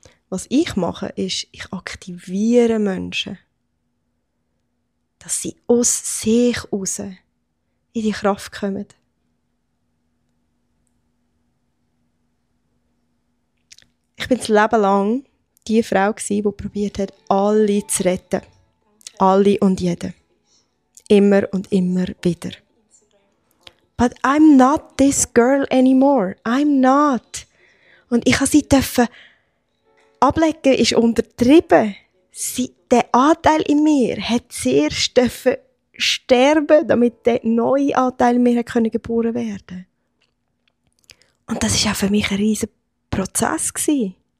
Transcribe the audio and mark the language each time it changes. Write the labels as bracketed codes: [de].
[de] Was ich mache, ist, ich aktiviere Menschen, dass sie aus sich raus in die Kraft kommen. Ich bin das Leben lang die Frau gewesen, die probiert hat, alle zu retten. Alle und jeden. Immer und immer wieder. [en] But I'm not this girl anymore. I'm not. [de] Und ich durfte sie dürfen ablegen, ist untertrieben. Sie, der Anteil in mir hat zuerst dürfen sterben, damit der neue Anteil in mir können geboren werden. Und das war auch für mich ein riesiger Prozess gewesen.